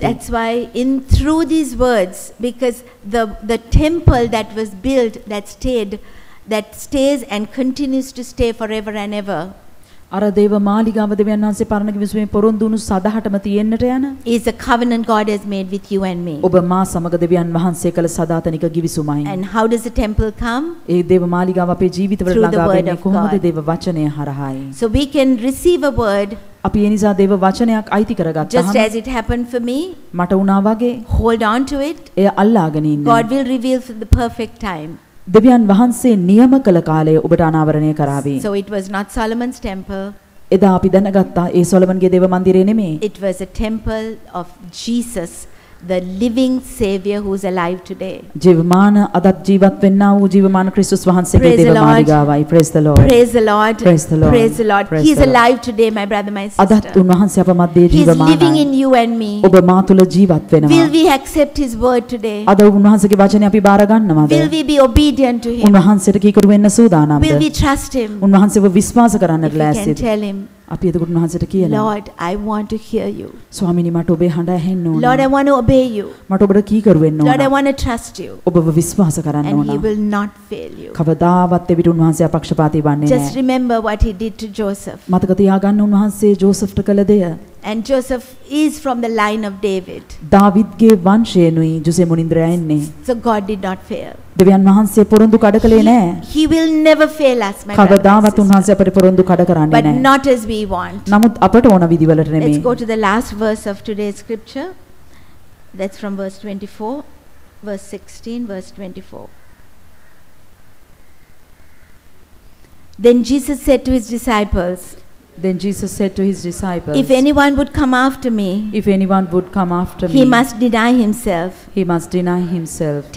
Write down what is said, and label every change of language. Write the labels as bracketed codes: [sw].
[en] That's why in through these words, because the temple that was built, that stayed, that stays and continues to stay forever and ever. [si] අර දේව මාලිගාව දෙවියන් වහන්සේ පරණ කිවිසු මේ පොරොන්දුණු සදහටම තියෙන්නට යන [en] is a covenant God has made with you and me. [si] ඔබ මා සමග දෙවියන් වහන්සේ කළ සදාතනික කිවිසුමයි. [en] And how does the temple come? [si] ඒ දේව මාලිගාව අපේ ජීවිතවල ළඟාවෙන්නේ කොහොමද දේව වචනය හරහායි? [en] So we can receive a word. [si] අපි ඒ නිසා දේව වචනයක් අයිති කරගත්තාම [en] just as it happened for me. [si] මට වුණා වගේ [en] hold on to it. [si] එය අල්ලාගෙන ඉන්න. [en] God will reveal for the perfect time. [si] දෙවියන් වහන්සේ නියම කළ කාලයේ ඔබට අනාවරණය කරાવી. [en] So it was not Solomon's temple. [si] එදා අපි දැනගත්තා ඒ සොලමන්ගේ දේව මන්දිරය නෙමේ. [en] It was a temple of Jesus, the living savior who is alive today. [si] ජීවමාන අදත් ජීවත් වෙන්නා වූ ජීවමාන ක්‍රිස්තුස් වහන්සේගේ දේව මාලිගාවයි. [en] Praise the Lord. Praise the Lord. Praise the Lord. Praise the Lord. He is alive today, my brother, my sister. [si] අදත් උන්වහන්සේ අප මැදේ ජීවමානයි. [en] He is living in you and me. [si] ඔබ මා තුල ජීවත් වෙනවා. [en] Will we accept his word today? [si] අද උන්වහන්සේගේ වචනේ අපි බාර ගන්නවද? [en] Will we be obedient to him? [si] උන්වහන්සේට කීකරු වෙන්න සූදානම්ද? [en] Will we trust him? [si] උන්වහන්සේව විශ්වාස කරන්නට ලෑස්තිද? [en] Tell him. [si] අපි එතකොට උන්වහන්සේට කියනවා [en] Lord I want to hear you. [si] ස්වාමීනි මට ඔබේ හඬ ඇහෙන්න ඕන. [en] Lord I want to obey you. [si] මට ඔබට කීකරු වෙන්න ඕන. [en] Lord I want to trust you. [si] ඔබව විශ්වාස කරන්න ඕන. [en] And he will not fail you. [si] කවදාවත් එවිට උන්වහන්සේ අපක්ෂපාතී වන්නේ නැහැ. [en] Just remember what he did to Joseph. [si] මතක තියාගන්න උන්වහන්සේ ජෝසෙෆ්ට කළ දෙය. [en] And Joseph is from the line of David. [si] දාවිද්ගේ වංශයෙන්ුයි ජොසෙ මොනින්දරය එන්නේ. [en] So God did not fail. [si] දෙවියන් වහන්සේ පොරොන්දු කඩකලේ නැහැ. [en] He will never fail us. [si] කවදාවත් උන්වහන්සේ අපට පොරොන්දු කඩ කරන්නේ නැහැ. [en] But not as we want. [si] නමුත් අපට ඕන විදිවලට නෙමෙයි. [en] Let's go to the last verse of today's scripture. That's from verse 24, verse 16, verse 24. Then Jesus said to his disciples, If anyone would come after me, he must deny himself,